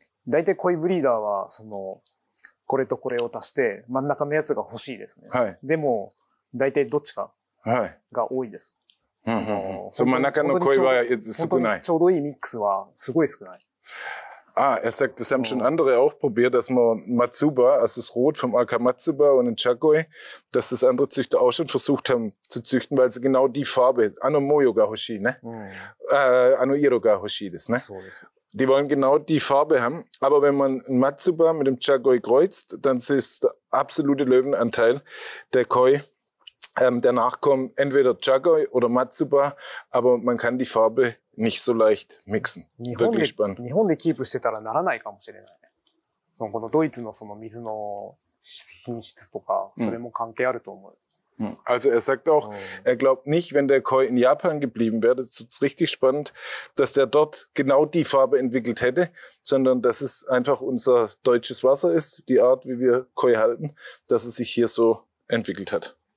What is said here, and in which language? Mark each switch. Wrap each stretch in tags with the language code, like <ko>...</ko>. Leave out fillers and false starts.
<ja>だいたい恋ブリーダーは、その、これとこれを足して、真ん中のやつが欲しいですね。はい。でも、だいたいどっちかが多いです。はい、その、うんうん、真ん中の恋は少ない。ちょうどいいミックスはすごい少ない。</ja> <de>Ah, er sagt, das haben schon andere auch probiert, dass man Matsuba, also das Rot vom Akamatsuba und den Chagoi, dass das andere Züchter auch schon versucht haben zu züchten, weil sie genau die Farbe,</de> <ja>Ano Moyo Gahoshi, ne? Ano Iro Gahoshi, das, ne?</ja> <de>So ist es. Die wollen genau die Farbe haben, aber wenn man ein Matsuba mit dem Chagoi kreuzt, dann ist der absolute Löwenanteil der Koi, der Nachkommen, entweder Chagoi oder Matsuba, aber man kann die Farbe nicht so leicht mixen. Wirklich spannend.</de> <ja>日本でキープしてたらならないかもしれない。そのこのドイツのその水の品質とか、それも関係あると思う。</ja> <de>Also er sagt auch, er glaubt nicht, wenn der Koi in Japan geblieben wäre, das ist richtig spannend, dass der dort genau die Farbe entwickelt hätte, sondern dass es einfach unser deutsches Wasser ist, die Art, wie wir Koi halten, dass es sich hier so entwickelt hat.</de>